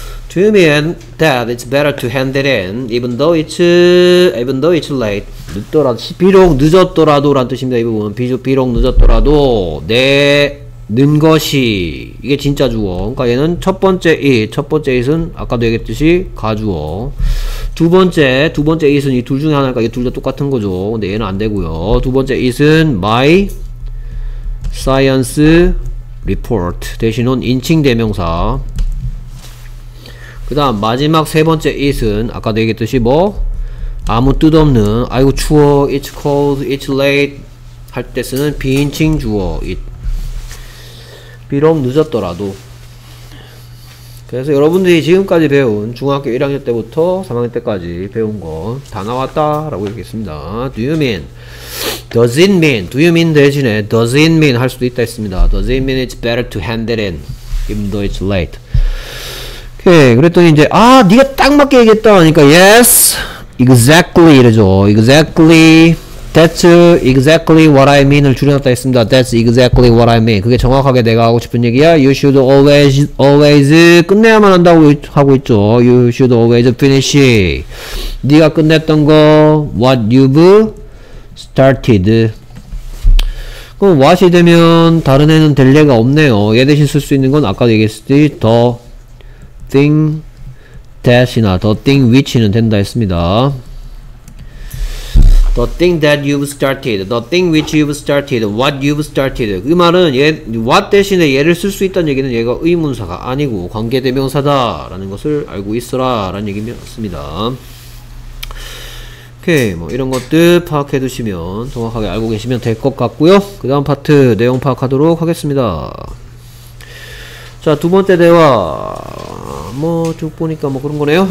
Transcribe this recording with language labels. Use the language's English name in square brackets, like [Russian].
[English] Do you mean that it's better to hand it in even though it's late. [Korean] 늦더라도 비록 늦었더라도란 뜻입니다. 이 부분 비록 늦었더라도 내 는 것이 이게 진짜 주어. 그러니까 얘는 첫 번째 it, 첫 번째 it은 아까도 얘기했듯이 가주어. 두 번째 it은 이 둘 중에 하나니까 이게 둘 다 똑같은 거죠. 근데 얘는 안 되고요. 두 번째 it은 [English] my science report [Korean] 대신은 인칭 대명사. 그다음 마지막 세 번째 it은 아까도 얘기했듯이 뭐 아무 뜻 없는 아이고 추워 [English] it's cold it's late [Korean] 할 때 쓰는 비인칭 주어 it. 비록 늦었더라도. 그래서 여러분들이 지금까지 배운 중학교 1학년 때부터 3학년 때까지 배운 거 다 나왔다 라고 얘기했습니다. [English] Do you mean? Does it mean? Do you mean [Korean] 대신에 [English] Does it mean [Korean] 할 수도 있다 했습니다. [English] Does it mean it's better to hand it in even though it's late? [Korean] 오케이. 그랬더니 이제 아 니가 딱 맞게 얘기했다 하니까 [English] Yes, exactly [Korean] 이래죠. [English] Exactly. That's exactly what I mean을 [Korean] 줄여놨다 했습니다. [English] That's exactly what I mean. [Korean] 그게 정확하게 내가 하고 싶은 얘기야. [English] You should always [Korean] 끝내야만 한다고 하고 있죠. [English] You should always finish. [Korean] 네가 끝냈던 거 [English] what you've started. [Korean] 그럼 what이 되면 다른 애는 될 예가 없네요. 얘 대신 쓸 수 있는 건 아까 얘기했듯이 [English] the thing that [Korean] 이나 [English] the thing which [Korean] 는 된다 했습니다. [English] The thing that you've started, the thing which you've started, what you've started. [Korean] 이 말은 얘, what 대신에 얘를 쓸 수 있다는 얘기는 얘가 의문사가 아니고 관계대명사다 라는 것을 알고 있어라 라는 얘기였습니다. 오케이, 뭐 이런 것들 파악해 두시면 정확하게 알고 계시면 될 것 같고요. 그 다음 파트 내용 파악하도록 하겠습니다. 자, 두 번째 대화 뭐 쭉 보니까 뭐 그런 거네요.